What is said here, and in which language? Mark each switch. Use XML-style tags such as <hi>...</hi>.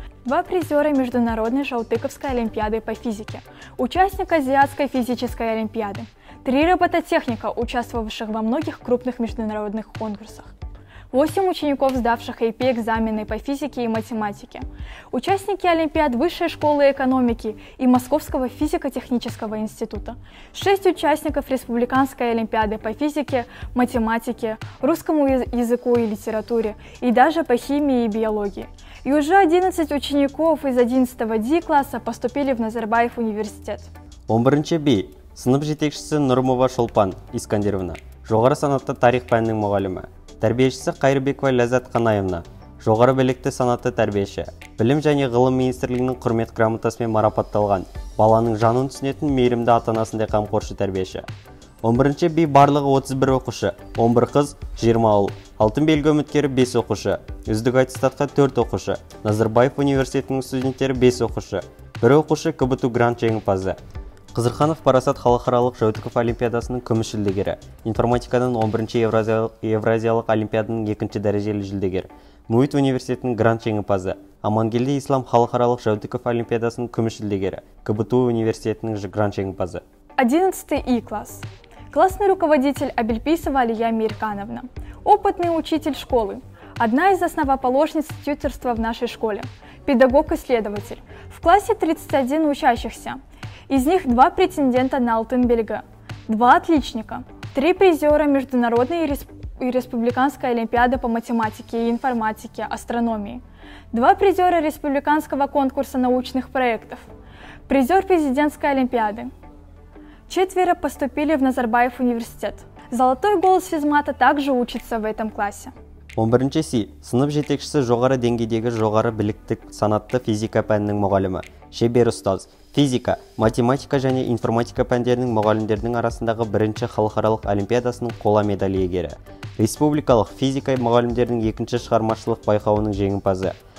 <ru>2 призера Международной Жалтыковской олимпиады по физике, участник Азиатской физической олимпиады, 3 робототехника, участвовавших во многих крупных международных конкурсах, 8 учеников, сдавших AP-экзамены по физике и математике, участники олимпиад Высшей школы экономики и Московского физико-технического института, 6 участников Республиканской олимпиады по физике, математике, русскому языку и литературе, и даже по химии и биологии. И уже 11 учеников из 11-го D-класса поступили в Назарбаев университет.</ru> <kk>11-ші B. Сынып жетекшісі Нұрмова Шолпан Искандировна. Жоғары санатты тарих пәнінің мұғалімі. Тәрбиешісі Қайырбекова Ләззат Қанаевна. Жоғары білікті санатты тәрбиеші. Білім және ғылым министрлігінің құрмет грамотасымен марапатталған. Баланың жанын түсінетін мейірімді ата-анасындай қамқоршы тәрбиеші. 11-ші Б барлығы 31 оқушы, 11 қыз, 20 ұл. Алтын белгі үміткері 5 оқушы, үздік аттестатқа 4 оқушы, Назарбаев университетінің студенттері 5 оқушы, 1 оқушы КБТУ грант жеңімпазы. Қызырханов Парасат халықаралық Жәутіков олимпиадасының күміс жүлдегері, информатикадан 11-ші Евразиялық олимпиаданың 2-ші дәрежелі жүлдегері, МУИТ университетінің грант жеңімпазы, Амангелді Ислам халықаралық Жәутіков олимпиадасының күміс жүлдегері, КБТУ университетінің грант жеңімпазы.</kk> <ru>11-й И-класс. Классный руководитель Абельпейсова Алия Американовна. Опытный учитель школы. Одна из основоположниц тьюторства в нашей школе. Педагог-исследователь. В классе 31 учащихся. Из них 2 претендента на Алтынбельгі. 2 отличника. 3 призера Международной и Республиканской олимпиады по математике и информатике, астрономии. 2 призера Республиканского конкурса научных проектов. Призер президентской олимпиады. 4 поступили в Назарбаев университет. Золотой голос физмата также учится в этом классе.</ru> <kk>11-ші С. Сынып жетекшісі жоғары деңгейдегі жоғары білікті санатты физика пәнінің мұғалімі. Шебер ұстаз. Физика, математика және информатика пәндерінің мұғалімдерінің арасындағы бірінші халықаралық олимпиадасының қола медаль иегері. Республикалық физика мұғалімдерінің екінші шығармашылық байқауының жеңімпазы.</kk>